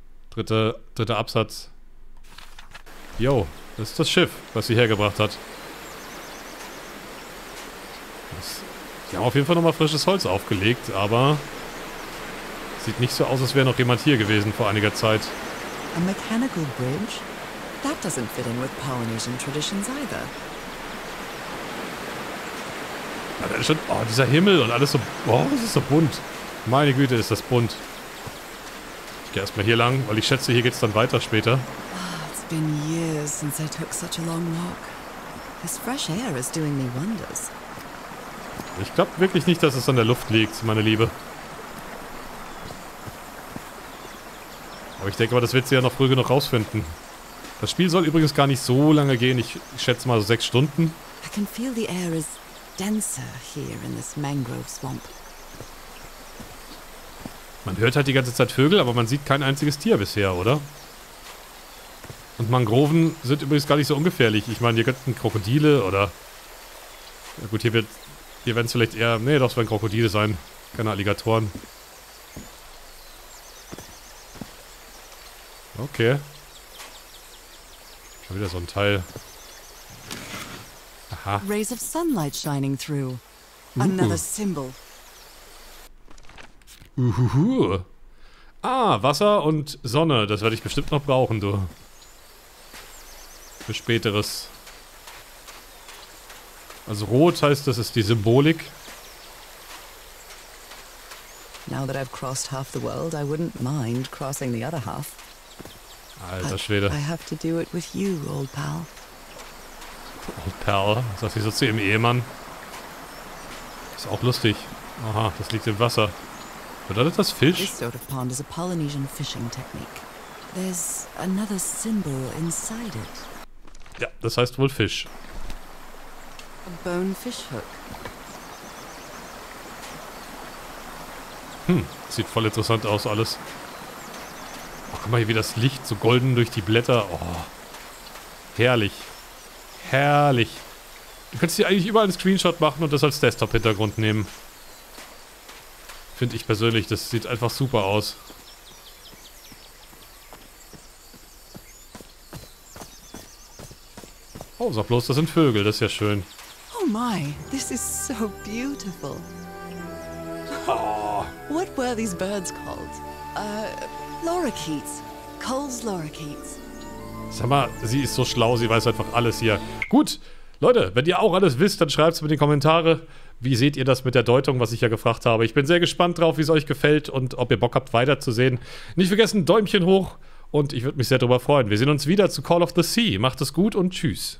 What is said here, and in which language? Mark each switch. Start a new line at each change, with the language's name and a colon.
German: Dritter Absatz. Yo, das ist das Schiff, was sie hergebracht hat. Sie haben auf jeden Fall nochmal frisches Holz aufgelegt, aber sieht nicht so aus, als wäre noch jemand hier gewesen vor einiger Zeit.
English: A mechanical bridge? That doesn't fit in with Polynesian traditions either.
German: Na, das ist schon, oh, dieser Himmel und alles so, oh, das ist so bunt. Meine Güte, ist das bunt. Ich gehe erstmal hier lang, weil ich schätze, hier geht's dann weiter später.
English: It's been years since I took such a long walk. This fresh air is doing me wonders.
German: Ich glaube wirklich nicht, dass es an der Luft liegt, meine Liebe. Aber ich denke mal, das wird sie ja noch früh genug rausfinden. Das Spiel soll übrigens gar nicht so lange gehen. Ich schätze mal so 6 Stunden.
English: I can feel the air is denser here in this mangrove swamp.
German: Man hört halt die ganze Zeit Vögel, aber man sieht kein einziges Tier bisher, oder? Und Mangroven sind übrigens gar nicht so ungefährlich. Ich meine, hier könnten Krokodile oder... Ja gut, hier werden es vielleicht eher... Nee, doch, es werden Krokodile sein. Keine Alligatoren. Okay. Schon wieder so ein Teil. Aha.
English: Rays of sunlight shining through. Another symbol.
German: Uhuhu. Ah, Wasser und Sonne. Das werde ich bestimmt noch brauchen, du. Für späteres. Also rot heißt, das ist die Symbolik.
English: Now that I've crossed half the world, I wouldn't mind crossing the other half.
German: Alter Schwede.
English: I have to do it with you, old pal. Old pal,
German: sagt sie so zu ihrem Ehemann. Ist auch lustig. Aha, das liegt im Wasser. Bedeutet das Fisch?
English: This sort of pond is a Polynesian fishing technique. There's another symbol inside it.
German: Ja, das heißt wohl Fisch.
English: A bone fish hook.
German: Sieht voll interessant aus alles. Oh, guck mal hier, wie das Licht so golden durch die Blätter. Oh, herrlich. Herrlich. Du könntest hier eigentlich überall einen Screenshot machen und das als Desktop-Hintergrund nehmen. Finde ich persönlich, das sieht einfach super aus. Oh, sag bloß, das sind Vögel, das ist ja schön.
English: Oh my, this is so beautiful. Oh. What were these birds called? Lorikeets. Cole's Lorikeets.
German: Sag mal, sie ist so schlau, sie weiß einfach alles hier. Gut, Leute, wenn ihr auch alles wisst, dann schreibt es mir in die Kommentare. Wie seht ihr das mit der Deutung, was ich ja gefragt habe? Ich bin sehr gespannt drauf, wie es euch gefällt und ob ihr Bock habt, weiterzusehen. Nicht vergessen, Däumchen hoch. Und ich würde mich sehr darüber freuen. Wir sehen uns wieder zu Call of the Sea. Macht es gut und tschüss.